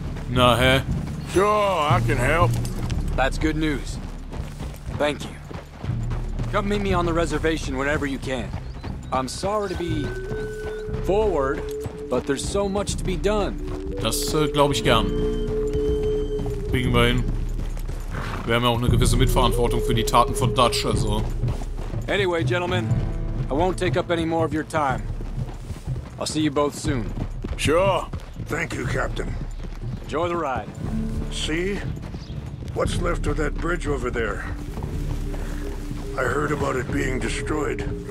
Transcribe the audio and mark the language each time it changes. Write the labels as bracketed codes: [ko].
[en] Nah, eh? Sure, I can help. That's good news. Thank you. Come meet me on the reservation whenever you can. I'm sorry to be forward, but there's so much to be done. [de] Das glaube ich gern. Kriegen wir hin. Wir haben ja auch eine gewisse Mitverantwortung für die Taten von Dutch, also. [en] Anyway, gentlemen. I won't take up any more of your time. I'll see you both soon. Sure. Thank you, Captain. Enjoy the ride. See? What's left of that bridge over there? I heard about it being destroyed.